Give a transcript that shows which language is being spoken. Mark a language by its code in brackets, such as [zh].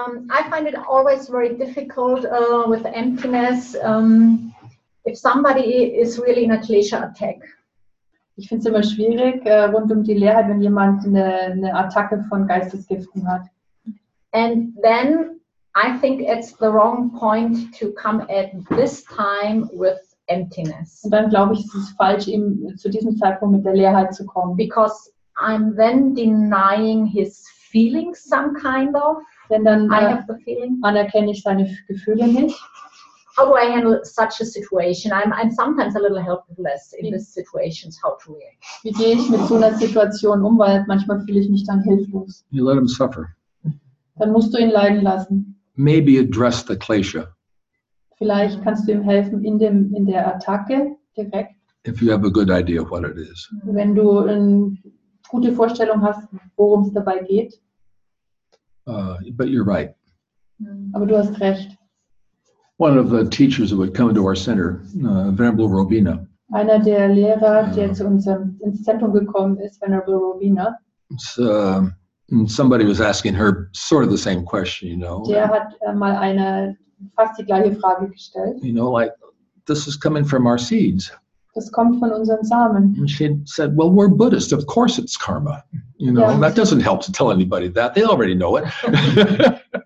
[en] I find it always very difficult with emptiness if somebody is really in a klesha attack. [de] Ich finde es immer schwierig rund um die Leerheit, wenn jemand eine Attacke von Geistesgiften hat. [en] And then I think it's the wrong point to come at this time with emptiness. [de] Und dann glaube ich, es ist falsch, ihm zu diesem Zeitpunkt mit der Leerheit zu kommen. [en] Because I'm then denying his feelings some kind of. [de] Denn dann anerkenne ich seine Gefühle nicht. [en] How do I handle such a situation? I'm sometimes a little helpless in these situations. How to react? [de] Wie gehe ich mit so einer Situation um, weil manchmal fühle ich mich dann hilflos. [en] You let him suffer. [de] Dann musst du ihn leiden lassen. [en] Maybe address the klesha. [de] Vielleicht kannst du ihm helfen in der Attacke direkt. [en] If you have a good idea of what it is. [de] Wenn du eine gute Vorstellung hast, worum es dabei geht. [en] But you're right. [de] Aber du hast recht. [en] One of the teachers who would come to our center, Venerable Robina. [de] Einer der Lehrer, der zu unserem ins Zentrum gekommen ist, Venerable Robina. [en] So, and somebody was asking her sort of the same question, you know. [de] Der hat mal eine fast die gleiche Frage gestellt. [en] You know, like this is coming from our seeds. [de] Das kommt von unseren Samen. [en] And she said, well, we're Buddhist. Of course it's karma. You know, ja, that doesn't help to tell anybody that. They already know it.